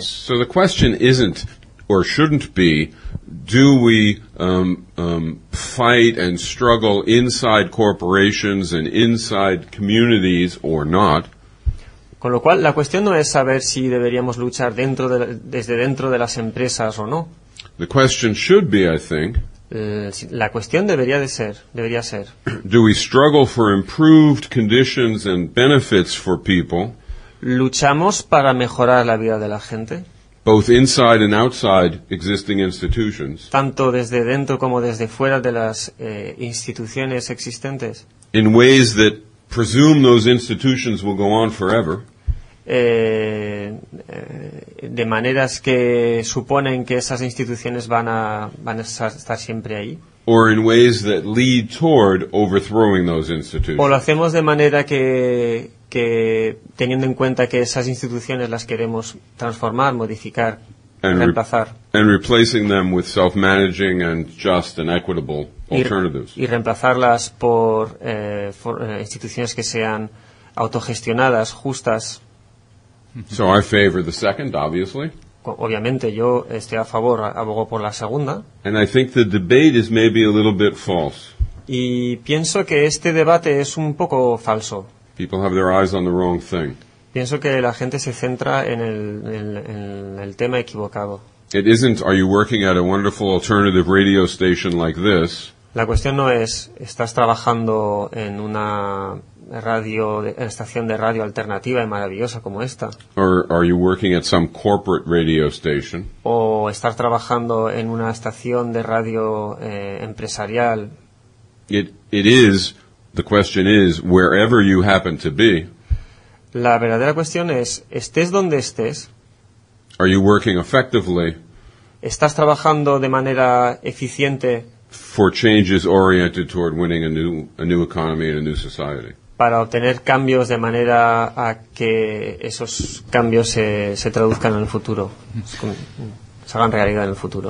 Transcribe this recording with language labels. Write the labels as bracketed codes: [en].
[en] So the question isn't, or shouldn't be, do we fight and struggle inside corporations and inside communities or not? [es] Con lo cual, la cuestión no es saber si deberíamos luchar desde dentro de las empresas o no. [en] The question should be, I think, [es] la cuestión debería ser. [en] Do we struggle for improved conditions and benefits for people? [es] ¿Luchamos para mejorar la vida de la gente? [en] Both inside and outside existing institutions. [es] Tanto desde dentro como desde fuera de las instituciones existentes. [en] In ways that presume those institutions will go on forever. [es] De maneras que suponen que esas instituciones van a estar siempre ahí. [en] Or in ways that lead toward overthrowing those institutions. [es] O lo hacemos de manera que teniendo en cuenta que esas instituciones las queremos transformar, modificar, [en] and [es] reemplazar. [en] And replacing them with self-managing and just and equitable alternatives. [es] Y reemplazarlas por instituciones que sean autogestionadas, justas. [en] So I favor the second, obviously. [es] Obviamente, yo estoy a favor, abogo por la segunda. [en] And I think the debate is maybe a little bit false. [es] Y pienso que este debate es un poco falso. [en] People have their eyes on the wrong thing. [es] Pienso que la gente se centra en el tema equivocado. [en] It isn't, are you working at a wonderful alternative radio station like this? [es] La cuestión no es, ¿estás trabajando en una radio, en estación de radio alternativa y maravillosa como esta? [en] Or are you working at some corporate radio station? [es] ¿O estás trabajando en una estación de radio empresarial? [en] It is, The question is, wherever you happen to be. [es] La verdadera cuestión es, estés donde estés. [en] Are you working effectively? [es] ¿Estás trabajando de manera eficiente? [en] For changes oriented toward winning a new economy and a new society. [es] Para obtener cambios de manera a que esos cambios se traduzcan en el futuro, se hagan realidad en el futuro.